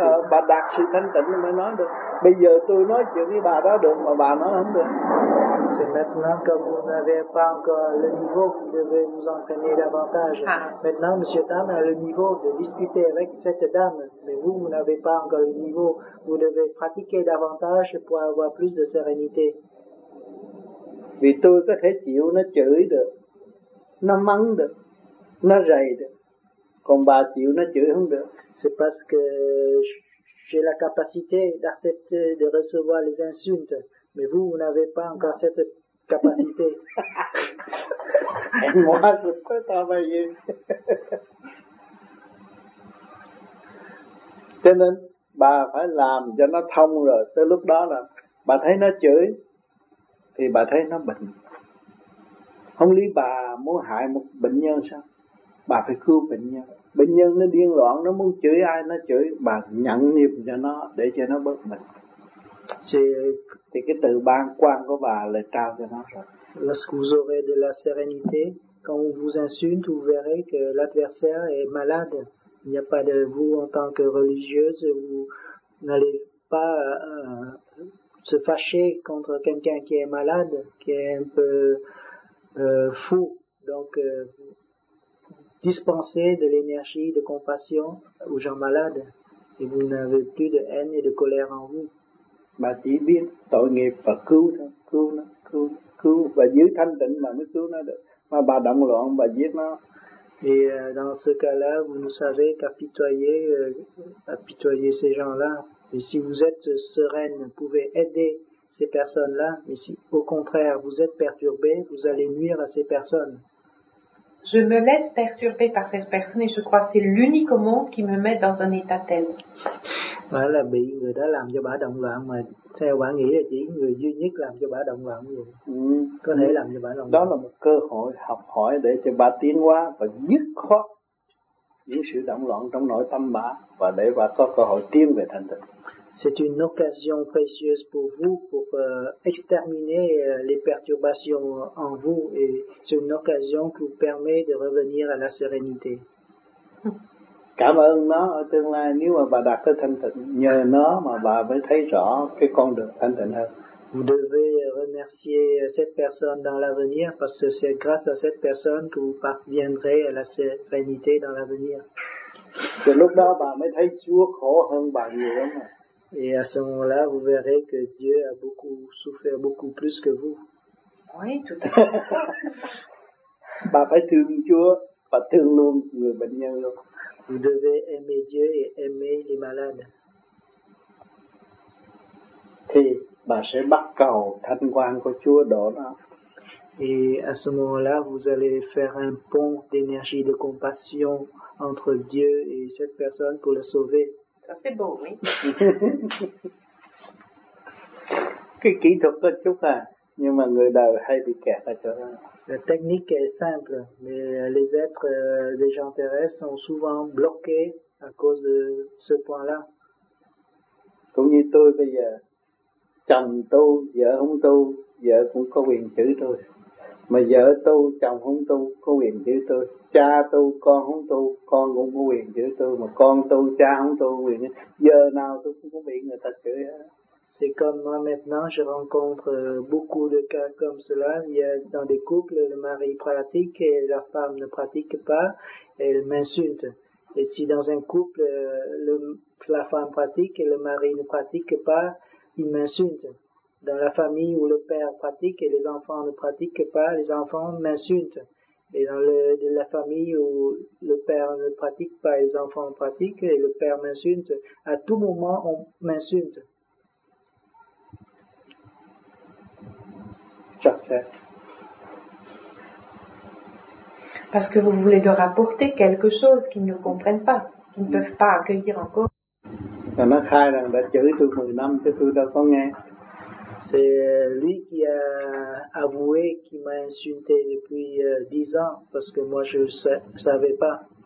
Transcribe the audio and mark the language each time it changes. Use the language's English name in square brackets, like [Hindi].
[Vietnamese] Bà đạt sự thanh tịnh mới nói được. Bây giờ tôi nói chuyện với bà đó được mà bà nói không được. [French] C'est maintenant que vous n'avez pas encore le niveau, vous devez vous entraîner davantage. Maintenant, Monsieur Tam a le niveau de discuter avec cette dame, mais vous n'avez pas encore le niveau. Vous devez pratiquer davantage pour avoir plus de sérénité. [Vietnamese] Vì tôi có thể chịu nó chửi được, nó mắng được, nó rầy được. Còn bà chịu nó chửi không được. [French] C'est parce que j'ai la capacité d'accepter de recevoir les insultes. Mais vous, vous n'avez pas encore cette capacité. Et moi, je peux travailler. [Vietnamese] Cho nên, bà phải làm cho nó thông rồi. Tới lúc đó là bà thấy nó chửi, thì bà thấy nó bệnh. Không lý bà muốn hại một bệnh nhân sao? Bà phải cứu bệnh nhân. Bệnh nhân nó điên loạn, nó muốn chửi ai, nó chửi. Bà nhận nghiệp cho nó, để cho nó bớt bệnh. Thì cái từ ban quan của bà là trao cho nó rồi. [French] Lorsque vous aurez de la sérénité, quand on vous insulte, vous verrez que l'adversaire est malade. Il n'y a pas de vous en tant que religieuse, vous n'allez pas se fâcher contre quelqu'un qui est malade, qui est un peu fou. Donc, dispensez de l'énergie, de compassion aux gens malades et vous n'avez plus de haine et de colère en vous. [Vietnamese] Bà chỉ biết tội nghiệp và cứu nó, cứu nó, cứu, cứu và giữ thanh tịnh mà mới cứu nó được. Mà bà động loạn, bà giết nó. [French] Et dans ce cas-là, vous ne savez qu'apitoyer ces gens-là. Et si vous êtes sereine, vous pouvez aider ces personnes-là. Mais si au contraire, vous êtes perturbé, vous allez nuire à ces personnes. Je me laisse perturber par cette personne et je crois que c'est l'unique au monde qui me met dans un état tel. Voilà, [Vietnamese] bị người đó làm cho bà động loạn mà theo bà nghĩ là chỉ người duy nhất làm cho bà động loạn vậy. Có thể làm cho bà động loạn. Đó là một cơ hội học hỏi để cho bà tiến hóa và dứt khoát những sự động loạn trong nội tâm bà và để bà có cơ hội tiến về thành tựu. [French] C'est une occasion précieuse pour vous pour exterminer les perturbations en vous et c'est une occasion qui vous permet de revenir à la sérénité. [Vietnamese] Cảm ơn nó ở tương lai nếu mà bà đạt tới thanh tịnh, nhờ nó mà bà mới thấy rõ cái con đường thanh tịnh hơn. [French] Vous devez remercier cette personne dans l'avenir parce que c'est grâce à cette personne que vous parviendrez à la sérénité dans l'avenir. [Vietnamese] Thì lúc đó bà mới thấy Chúa khổ hơn bà nhiều lắm. [French] Et à ce moment-là, vous verrez que Dieu a beaucoup souffert, beaucoup plus que vous. Oui, tout à fait. Pas tellement Dieu, pas tellement bien. Vous devez aimer Dieu et aimer les malades. [Vietnamese] Thì bà sẽ bắt cầu thanh quan của Chúa đổ nó. [French] Et à ce moment-là, vous allez faire un pont d'énergie de compassion entre Dieu et cette personne pour la sauver. Ça c'est beau, oui. [Vietnamese] Cái kỹ thuật có chút à, nhưng mà người đời hay bị kẹt ở chỗ đó. [French] La technique est simple, mais les êtres, les gens terrestres sont souvent bloqués à cause de ce point-là. [Vietnamese] Cũng như tôi bây giờ, chồng tu, vợ không tu, vợ cũng có quyền chữ tôi. Mà vợ tu, chồng không tu, có quyền chữ tôi. Cha tu, con không tu, con cũng có quyền chữ tôi. Mà con tu, cha không tu, quyền. Giờ nào tôi cũng có bị người ta chửi. [French] C'est comme moi maintenant, je rencontre beaucoup de cas comme cela. Il y a dans des couples, le mari pratique et la femme ne pratique pas, elle m'insulte. Et si dans un couple, la femme pratique et le mari ne pratique pas, il m'insulte. Dans la famille où le père pratique et les enfants ne pratiquent pas, les enfants m'insultent. Et dans la famille où le père ne pratique pas et les enfants pratiquent, et le père m'insulte, à tout moment, on m'insulte. Parce que vous voulez leur apporter quelque chose qu'ils ne comprennent pas, qu'ils ne peuvent pas accueillir encore. [Vietnamese] Nó khai rằng đã chửi tôi 10 năm chứ tôi đâu có nghe. [French] C'est lui qui a avoué qu'il m'a insulté depuis 10 ans parce que moi je ne savais pas.